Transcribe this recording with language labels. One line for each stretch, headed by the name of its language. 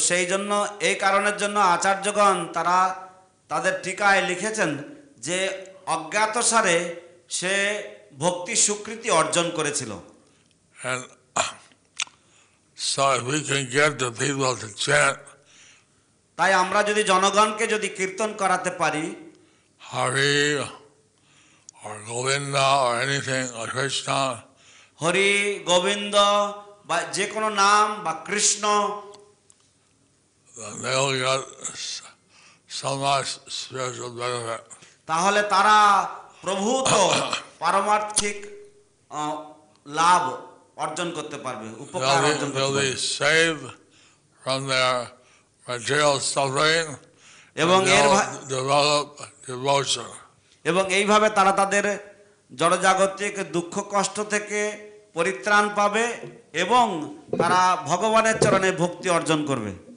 Bangla: সেই জন্য এই কারণের জন্য আচার্যগণ তারা তাদের টিকায় লিখেছেন যে অজ্ঞাতসারে সে ভক্তি স্বীকৃতি অর্জন করেছিল
English: So if we can get the people to chant,
Bangla: তাই আমরা যদি জনগণকে যদি কীর্তন করাতে পারি
English: Hari or Govinda or anything or Krishna,
Bangla: Hari Govinda বা যে কোনো নাম বা Krishna
English: they'll get so much spiritual benefit.
Bangla: তাহলে তারা প্রভূত পারমার্থিক লাভ অর্জন করতে পারবে উপকার অর্জন করতে পারবে
English: save from their material suffering
Bangla: এবং
English: এর develop devotion
Bangla: এবং এই ভাবে তারা তাদের জড়জাগতিক দুঃখ কষ্ট থেকে পরিত্রাণ পাবে এবং তারা ভগবানের চরণে ভক্তি অর্জন করবে